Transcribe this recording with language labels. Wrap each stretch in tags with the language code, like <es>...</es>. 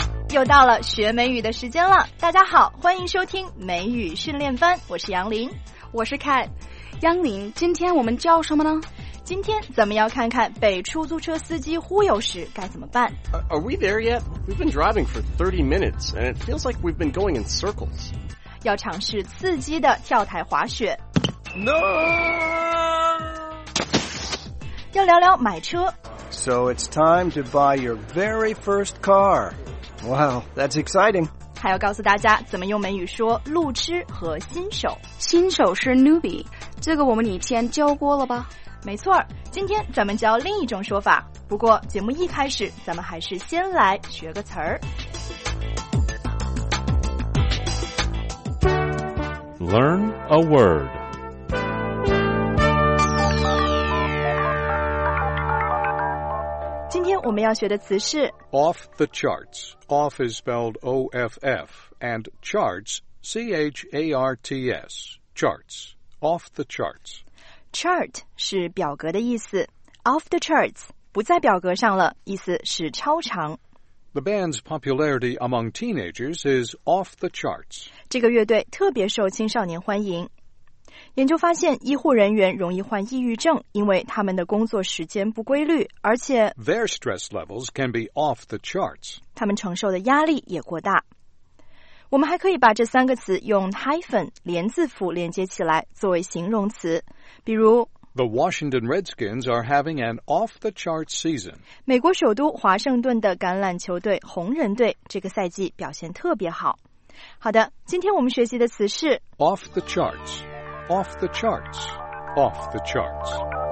<zh>又到了学美语的时间了，大家好，欢迎收听美语训练班，我是杨林。我是凯。杨林，今天我们教什么呢？今天咱们要看看被出租车司机忽悠时该怎么办。</zh> <en>Are we there yet? We've been driving for 30 minutes and it feels like we've been going in circles.</en> <zh>要尝试刺激的跳台滑雪。</zh> <en>No!</en> <zh>要聊聊买车。</zh> <en>So it's time to buy your very first car. Wow, that's exciting.</en> <zh>还要告诉大家怎么用美语说路痴和新手。新手是 newbie, 这个我们以前教过了吧？没错，今天咱们教另一种说法。不过节目一开始咱们还是先来学个词儿。</zh> <en>Learn a word.</en> <zh>今天我们要学的词是</zh> <en>off the charts. Off is spelled O-F-F and charts, C-H-A-R-T-S, charts, off the charts.</en> <zh>Chart 是表格的意思 ,</zh> <en>off the charts,</en> <zh>不在表格上了,意思是超长。</zh> <en>The band's popularity among teenagers is off the charts.</en> <zh>这个乐队特别受青少年欢迎。研究发现医护人员容易患抑郁症，因为他们的工作时间不规律，而且</zh> <en>their stress levels can be off the charts.</en> <zh>他们承受的压力也过大。我们还可以把这三个词用 hyphen 连字符连接起来作为形容词，比如</zh> <en>The Washington Redskins are having an off the charts season.</en> <zh>美国首都华盛顿的橄榄球队红人队这个赛季表现特别好。好的，今天我们学习的词是</zh> <en>off the charts. Off the charts, off the charts.</en>